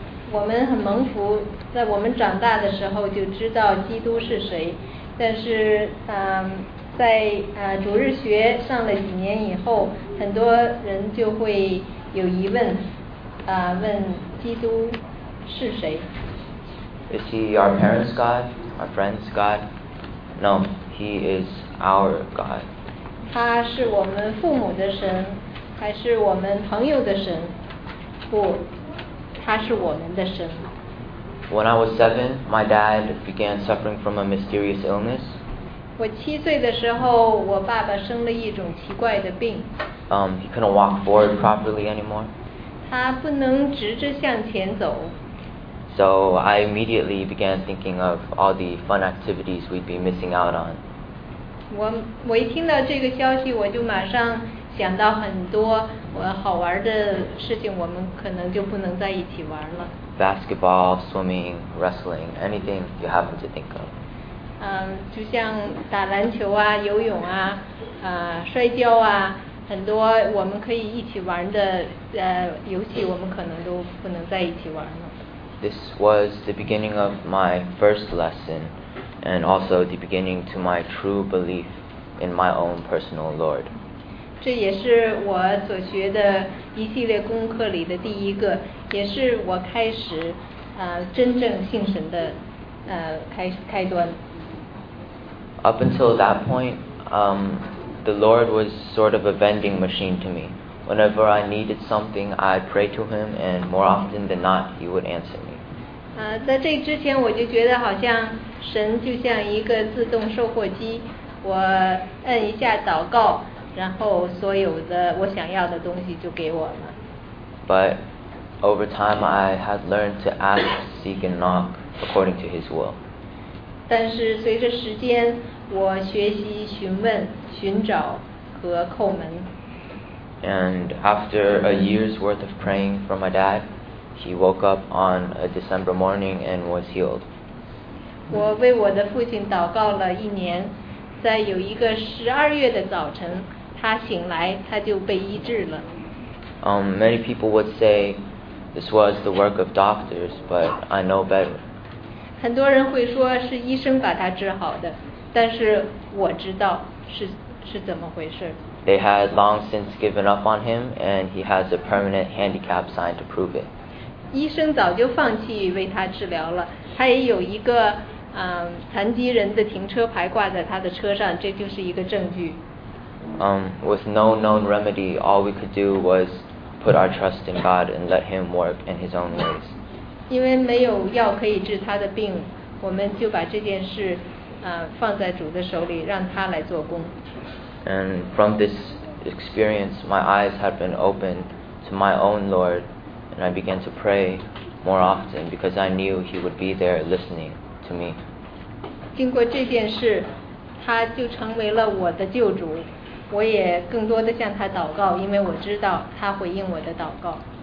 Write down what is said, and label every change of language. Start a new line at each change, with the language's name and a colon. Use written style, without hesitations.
Chinese: 我们很蒙福，在我们长大的时候就知道基督是谁，但是在主日学上了几年以后，很多人就会有疑问，问基督是谁。
English: Is he our parents' God, our friends' God? No, he is our God.
Chinese: 他是我们父母的神，还是我们朋友的神？不，他是我们的神。
English: When I was 7, my dad began suffering from a mysterious illness.
Chinese: 我七岁的时候，我爸爸生了一种奇怪的病。
English: He couldn't walk forward properly anymore.
Chinese: 他不能直着向前走。
English: So I immediately began thinking of all the fun activities we'd be missing out on.
Chinese: 我一听到这个消息，我就马上想到很多好玩的事情，我们可能就不能在一起玩了。
English: Basketball, swimming, wrestling, anything you happen to think of.
Chinese: 就像打篮球啊游泳啊摔跤啊很多我们可以一起玩的游戏我们可能都不能在一起玩了。
English: This was the beginning of my first lesson and also the beginning to my true belief in my own personal Lord.
Chinese: 这也是我所学的一系列功课里的第一个也是我开始真正信神的开端。
English: Up until that point, the Lord was sort of a vending machine to me. Whenever I needed something, I'd pray to Him, and more often than not, He would answer me.
Chinese: 在这之前，我就觉得好像神就像一个自动售货机，我摁一下祷告，然后所有的我想要的东西就给我了。
English: But over time, I had learned to ask, seek, and knock according to His will.
Chinese: 但是随着时间，我学习询问、寻找和叩门。
English: And after a year's worth of praying for my dad, he woke up on a December morning and was healed.
Chinese: 我为我的父亲祷告了一年，在有一个十二月的早晨，他醒来，他就被医治了。
English: Many people would say this was the work of doctors, but I know better.
Chinese: 很多人会说是医生把他治好的，但是我知道是怎么回事。
English: They had long since given up on him, and he has a permanent handicap sign to prove it.
Chinese: 医生早就放弃为他治疗了，他也有一个残疾人的停车牌挂在他的车上，这就是一个证据。
English: With no known remedy, all we could do was put our trust in God and let Him work in His own ways.
Chinese: 因为没有药可以治他的病，我们就把这件事放在主的手里，让他来做工。
English: And from this experience, my eyes have been opened to my own Lord, and I began to pray more often because I knew He would be there listening to me.
Chinese: 经过这件事，他就成为了我的救主，我也更多的向他祷告，因为我知道他回应我的祷告。